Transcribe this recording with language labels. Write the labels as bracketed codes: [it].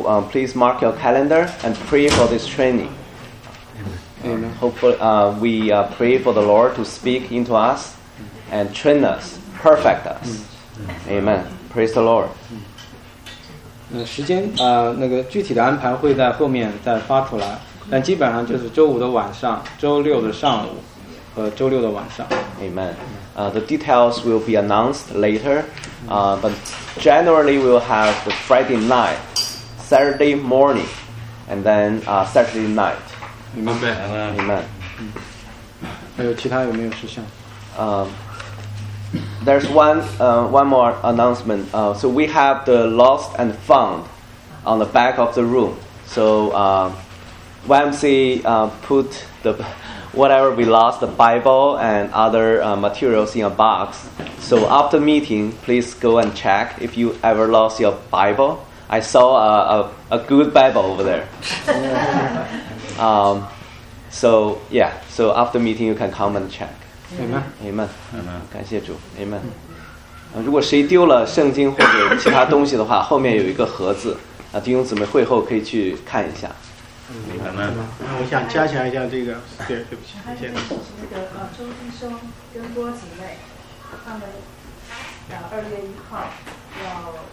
[en] Please mark your calendar and pray for this training. Amen. Hopefully, we pray for the Lord to speak into us and train us, perfect us. Amen. Praise the Lord. [zh] 时间那个具体的安排会在后面再发出来，但基本上就是周五的晚上、周六的上午和周六的晚上。 [en] Amen. The details will be announced later. But generally we'll have the Friday night, Saturday morning, and then Saturday night. Amen. Amen. Amen. [zh] 还有其他有没有事项？ [en] There's one more announcement. So we have the lost and found on the back of the room. So YMC put the whatever we lost, the Bible and other materials in a box. So after meeting, please go and check if you ever lost your Bible. I saw a good Bible over there. So after meeting, you can come and check. Amen. Amen. Amen. [zh] 感谢主。Amen. 如果谁丢了圣经或者其他东西的话，后面有一个盒子，弟兄姊妹会后可以去看一下。 Amen. 我想加强一下这个。对不起。还有就是那个周弟兄跟郭姐妹，他们2月1号要